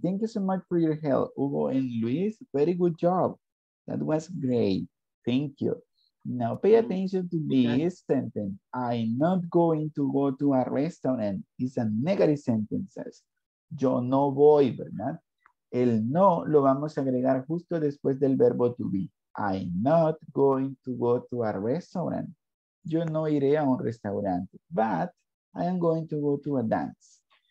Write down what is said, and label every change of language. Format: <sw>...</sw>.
<en>Thank you so much for your help, Hugo and Luis. Very good job. That was great. Thank you. Now pay attention to this sentence. I'm not going to go to a restaurant. It's a negative sentence.</en> <es>Yo no voy, ¿verdad? El no lo vamos a agregar justo después del verbo to be.</es> <en>I'm not going to go to a restaurant.</en> <es>Yo no iré a un restaurante.</es> <en>But I am going to go to a dance.</en>